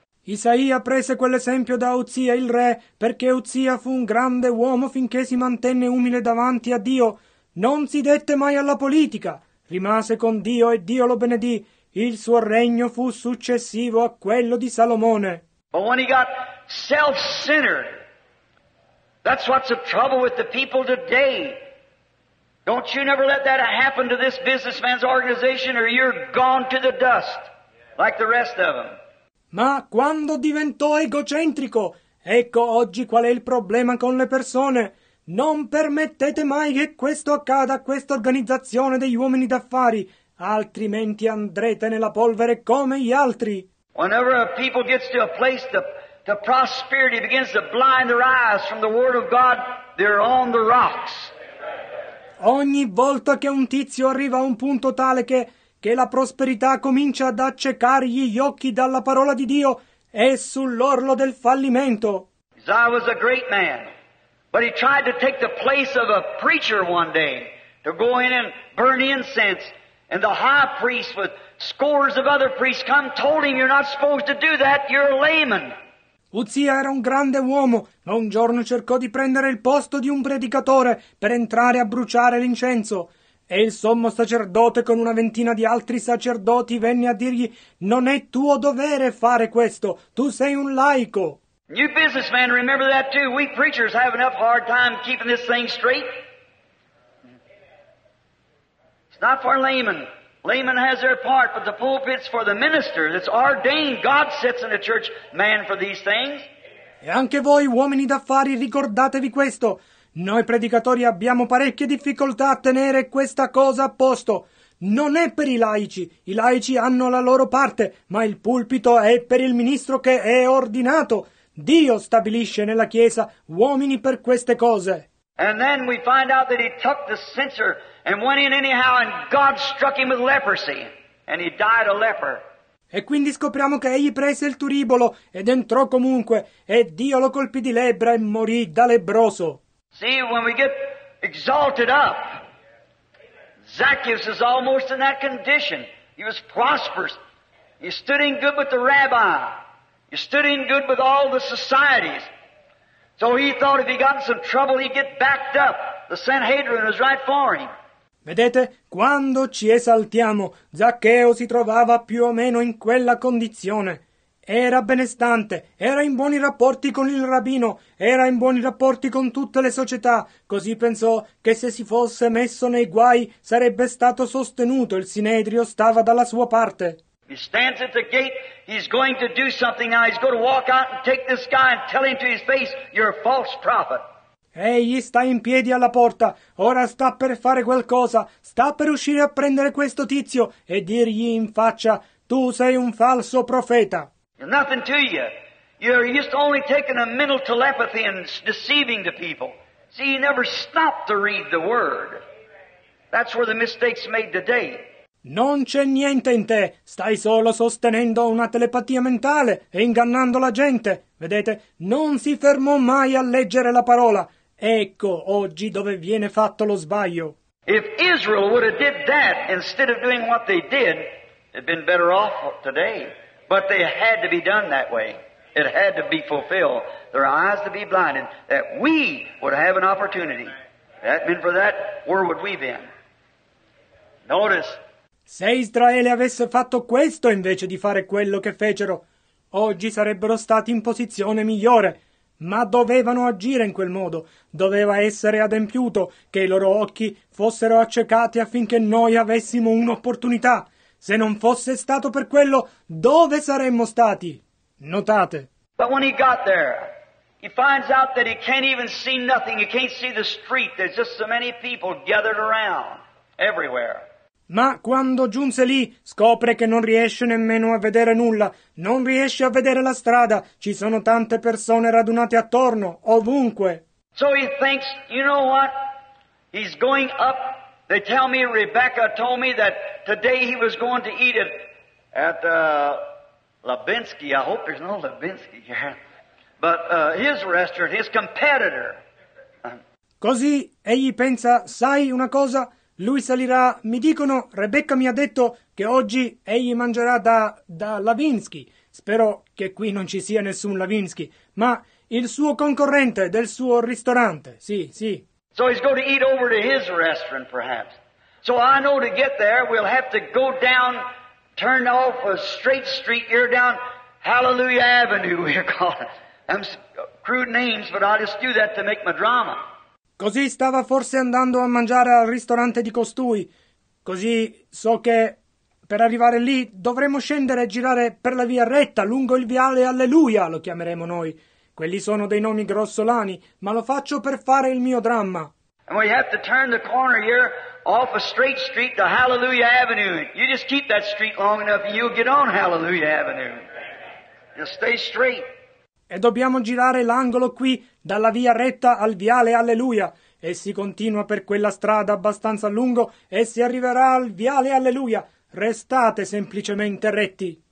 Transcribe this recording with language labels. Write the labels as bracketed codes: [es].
[it] Isaia prese quell'esempio da Uzzia il re, perché Uzzia fu un grande uomo finché si mantenne umile davanti a Dio. Non si dette mai alla politica. Rimase con Dio e Dio lo benedì. Il suo regno fu successivo a quello di Salomone. [en] But when he got self-centered, that's what's the trouble with the people today. Don't you never let that happen to this businessman's organization or you're gone to the dust, like the rest of them. [it] Ma quando diventò egocentrico, ecco oggi qual è il problema con le persone. Non permettete mai che questo accada a questa organizzazione degli uomini d'affari, altrimenti andrete nella polvere come gli altri. [en] Whenever a people gets to a place the prosperity begins to blind their eyes from the word of God, they're on the rocks. [it] Ogni volta che un tizio arriva a un punto tale che che la prosperità comincia ad accecargli gli occhi dalla parola di Dio e sull'orlo del fallimento. [en] Uzziah was a great man, but he tried to take the place of a preacher one day to go in and burn incense. And the high priest with scores of other priests come told him, you're not supposed to do that, you're a layman. [it] Uzziah era un grande uomo, ma un giorno cercò di prendere il posto di un predicatore per entrare a bruciare l'incenso. E il sommo sacerdote con una ventina di altri sacerdoti venne a dirgli, non è tuo dovere fare questo, tu sei un laico. [en] You businessmen remember that too. We preachers have enough hard time keeping this thing straight. It's not for laymen. Laymen has their part, but the pulpit's for the minister. It's ordained. God sits in a church man for these things. [it] E anche voi, uomini d'affari, ricordatevi questo. Noi predicatori abbiamo parecchie difficoltà a tenere questa cosa a posto. Non è per i laici hanno la loro parte, ma il pulpito è per il ministro che è ordinato. Dio stabilisce nella Chiesa uomini per queste cose. [en] And then we find out that he took the censer and went in anyhow, and God struck him with leprosy, and he died a leper. [it] E quindi scopriamo che egli prese il turibolo ed entrò comunque, e Dio lo colpì di lebbra e morì da lebbroso. [en] See, when we get exalted up, Zacchaeus is almost in that condition. He was prosperous. He stood in good with the rabbi. He stood in good with all the societies. So he thought if he got in some trouble, he'd get backed up. The Sanhedrin was right for him. [it] Vedete, quando ci esaltiamo, Zaccheo si trovava più o meno in quella condizione. Era benestante, era in buoni rapporti con il rabbino, era in buoni rapporti con tutte le società. Così pensò che se si fosse messo nei guai sarebbe stato sostenuto, il Sinedrio stava dalla sua parte. [en] He stands at the gate, he's going to do something now, he's going to walk out and take this guy and tell him to his face, you're a false prophet. [it] Egli sta in piedi alla porta, ora sta per fare qualcosa, sta per uscire a prendere questo tizio e dirgli in faccia, tu sei un falso profeta. [en] Nothing to you. You're just only taking a mental telepathy and deceiving the people. See, you never stop to read the word. That's where the mistake's made today. [it] Non c'è niente in te. Stai solo sostenendo una telepatia mentale e ingannando la gente. Vedete, non si fermò mai a leggere la parola. Ecco oggi dove viene fatto lo sbaglio. [en] If Israel would have did that instead of doing what they did, it'd been better off today. But they had to be done that way. It had to be fulfilled. Their eyes to be blinded, that we would have an opportunity. That meant for that, where would we been? Notice. [it] Se Israele avesse fatto questo invece di fare quello che fecero, oggi sarebbero stati in posizione migliore. Ma dovevano agire in quel modo. Doveva essere adempiuto che i loro occhi fossero accecati affinché noi avessimo un'opportunità. Se non fosse stato per quello, dove saremmo stati? Notate. [en] But when he got there, he finds out that he can't even see nothing. He can't see the street. There's just so many people gathered around everywhere. [it] Ma quando giunse lì, scopre che non riesce nemmeno a vedere nulla. Non riesce a vedere la strada. Ci sono tante persone radunate attorno, ovunque. [en] So he thinks, you know what? He's going up. They tell me Rebecca told me that today he was going to eat it at Labinsky. I hope there's no Labinsky here. But his restaurant, his competitor. [it] Così egli pensa, sai una cosa? Lui salirà, mi dicono, Rebecca mi ha detto che oggi egli mangerà da Labinsky. Spero che qui non ci sia nessun Labinsky, ma il suo concorrente del suo ristorante. Sì, sì. [en] So he's going to eat over to his restaurant, perhaps. So I know to get there, we'll have to go down, turn off a straight street here down Hallelujah Avenue, we call it. Them crude names, but I'll just do that to make my drama. [it] Così stava forse andando a mangiare al ristorante di costui. Così so che per arrivare lì dovremo scendere e girare per la via retta, lungo il viale Alleluia, lo chiameremo noi. Quelli sono dei nomi grossolani, ma lo faccio per fare il mio dramma. [en] And we have to turn the corner here off a straight street to Hallelujah Avenue. You just keep that street long enough and you'll get on Hallelujah Avenue. Just stay straight. [it] E dobbiamo girare l'angolo qui, dalla via retta al viale Alleluia. E si continua per quella strada abbastanza lungo e si arriverà al viale Alleluia. Restate semplicemente retti.